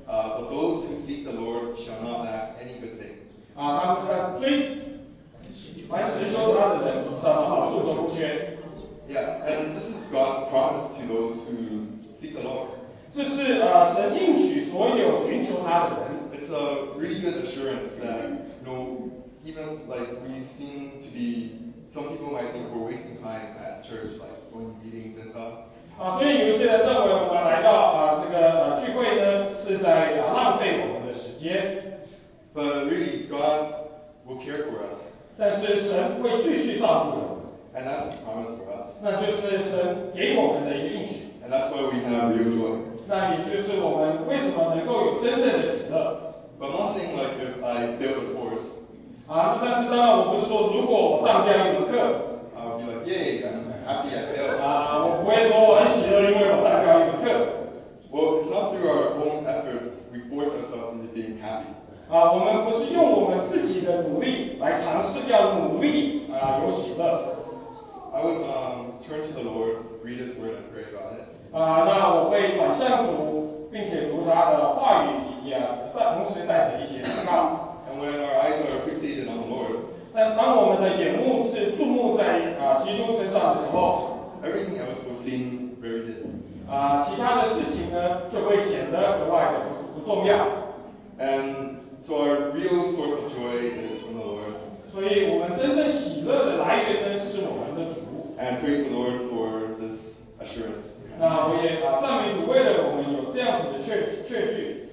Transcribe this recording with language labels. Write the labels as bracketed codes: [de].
[en] But those who seek the Lord shall not lack any good thing. [zh] 凡事求他的人，他的好处都不缺。 [en] Yeah, and this is God's promise to those who seek the Lord. [zh] 这是神应许所有寻求他的人。 [en] It's a really good assurance that, you know, even like we seem to be, some people might think we're wasting time at church, like going to meetings and stuff. [zh] 所以有些人认为我们来到这个聚会呢，是在浪费我们的时间。 [en] But really, God will care for us. [zh] 但是神会继续照顾我 [en] 们 ，and that's promise for us. [zh] 那就是神给我们的一个应许 [en] ，and that's why we have real joy. [zh] 那也就是我们为什么能够有真正的喜乐 [en] ？But nothing like if I build a force. [zh] 但是当然我不是说如果我当掉一门课 [en] ，I'll be like, yay, I'm happy I failed. [zh] 我不会说我很喜乐，因为我当掉一门课。 [en] Well, it's not through our own efforts we force ourselves into being happy. [zh] 我们不是用我们自己的努力来尝试要努力有喜乐。 [en] I would turn to the Lord, read His word and pray about it. [zh] 那我会转向主，并且读他的话语，也同时带着一些祷告。 [en] And when our eyes are fixated on the Lord, [zh] 但是当我们的眼目是注目在基督身上的时候 [en] ，everything else will seem very dim. [zh] 其他的事情呢就会显得格外的不重要。 [en] And So our real source of joy is from the Lord. [zh] 所以我们真正喜乐的来源呢，是我们的主。 [en] And praise the Lord for this assurance. [zh] 那我也赞美主，为了我们有这样子的确据。